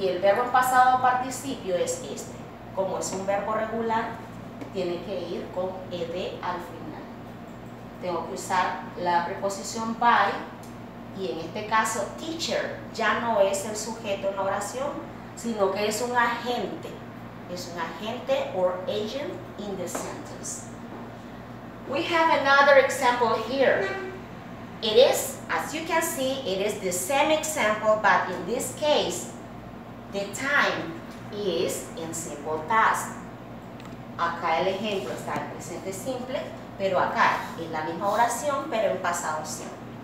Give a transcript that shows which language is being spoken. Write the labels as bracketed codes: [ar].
[es] Y el verbo pasado participio es este. Como es un verbo regular, tiene que ir con ed al final. Tengo que usar la preposición by, y en este caso teacher ya no es el sujeto en la oración, sino que es un agente. [en] is an agente or agent in the sentence. We have another example here. It is, as you can see, it is the same example, but in this case, the time is in simple past. [es] Acá el ejemplo está en presente simple, pero acá es la misma oración, pero en pasado simple.